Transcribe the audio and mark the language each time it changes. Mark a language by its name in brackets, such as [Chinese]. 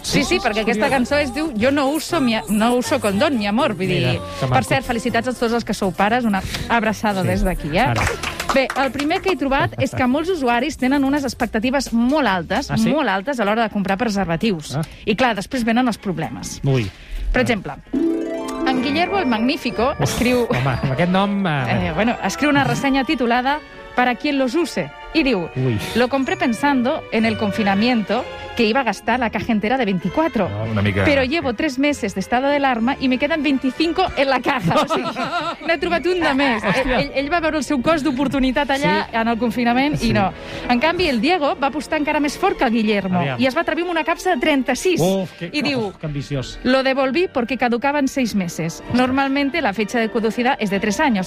[Catalan] Sí, perquè aquesta cançó es diu Jo [Spanish] no uso condón, mi amor. [Catalan] Vull dir, per cert, felicitats a tots els que sou pares. Una abraçada des d'aquí, eh? Ara. Bé, el primer que he trobat és que molts usuaris tenen unes expectatives molt altes, molt altes a l'hora de comprar preservatius. I clar, després venen els problemes. Ui. Per exemple... En Guillermo el Magnífico escriu... Home, amb aquest nom... Escriu una ressenya titulada [Spanish] Para quien los use. [Catalan] I diu... Ui. [Spanish] Lo compré pensando en el confinamiento que iba a gastar la caja entera de 24. [Catalan] Oh, una mica... [Spanish] Pero llevo 3 meses de estado de alarma y me quedan 25 en la caja. [Catalan] O sigui, n'he trobat un de més. Ell va veure el seu cost d'oportunitat allà en el confinament i no. En canvi, el Diego va apostar encara més fort que el Guillermo i es va atrevir amb una capsa de 36. Que ambiciós. [Spanish] Lo devolví porque caducaba en 6 meses. Normalmente la fecha de caducidad es de 3 años.